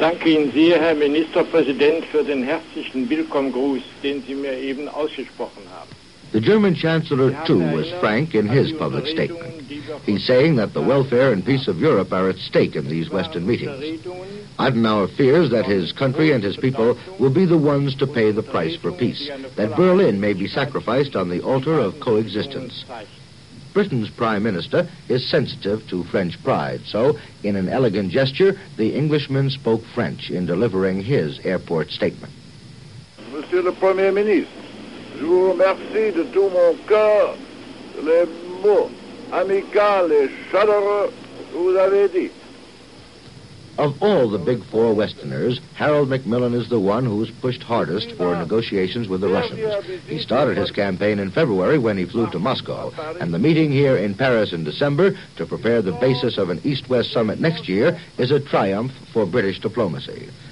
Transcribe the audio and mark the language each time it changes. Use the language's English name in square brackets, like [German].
[German] danke Ihnen sehr, Herr Ministerpräsident, für den herzlichen Willkommengruß, den Sie mir eben ausgesprochen haben. [English] The German Chancellor, too, was frank in his public statement. He's saying that the welfare and peace of Europe are at stake in these Western meetings. Adenauer fears that his country and his people will be the ones to pay the price for peace, that Berlin may be sacrificed on the altar of coexistence. Britain's Prime Minister is sensitive to French pride, so in an elegant gesture, the Englishman spoke French in delivering his airport statement. [French] Monsieur le Premier Ministre, je vous remercie de tout mon cœur les mots amicaux et chaleureux que vous avez dit. [English] Of all the big four Westerners, Harold Macmillan is the one who's pushed hardest for negotiations with the Russians. He started his campaign in February when he flew to Moscow, and the meeting here in Paris in December to prepare the basis of an East-West summit next year is a triumph for British diplomacy.